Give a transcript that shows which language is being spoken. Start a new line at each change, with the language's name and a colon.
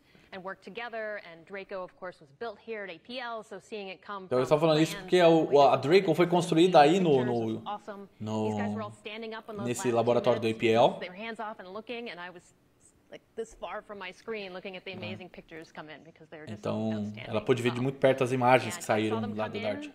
English: And work together, and Draco, of course, was built here at APL, so seeing it come.
Portuguese: Eu estava falando isso porque a Draco foi construída aí no nesse laboratório do APL.
English: They were hands off and looking, and I was like this far from my screen looking at the amazing pictures come in because they're just outstanding.
Portuguese: Então, ela pôde ver de muito perto as imagens que saíram do lado da DART.